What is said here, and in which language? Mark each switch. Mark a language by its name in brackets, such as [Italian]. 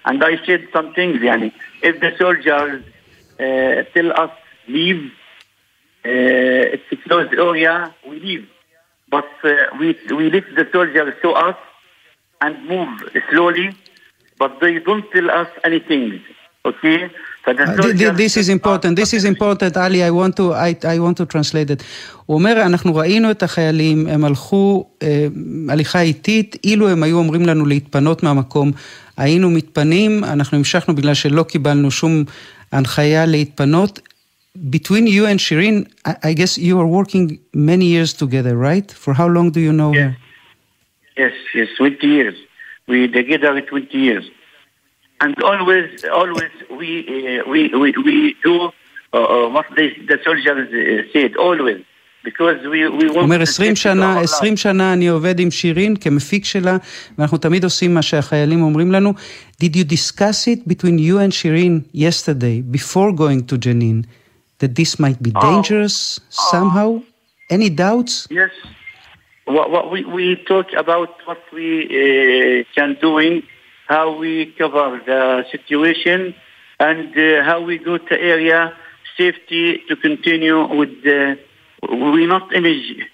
[English] And I said some things, yani. If the soldiers tell us leave, it's a closed area, we leave. But we let the soldiers show us and move slowly, but they don't tell us anything, okay? This is important. This is important, Ali. I want to translate it. [Hebrew] הוא אומר, אנחנו ראינו את החיילים, הם הלכו הליכה איטית, אילו הם היו אומרים לנו להתפנות מהמקום, היינו מתפנים, אנחנו המשכנו בגלל שלא קיבלנו שום הנחיה להתפנות. [English] Between you and Shireen, I guess you are working many years together, right? For how long do you know her? Yes, 20 years. We together 20 years. And always we do what the soldiers said, always, because we want. [Hebrew] אומר 20 שנה, 20 שנה אני עובד עם שירין כמפיק שלה, ואנחנו תמיד עושים מה שהחיילים אומרים לנו. [English] Did you discuss it between you and Shireen yesterday before going to Jenin that this might be dangerous somehow? Any doubts? Yes. What we talk about what we can doing, how we cover the situation, and how we go to area safety to continue with the, we not image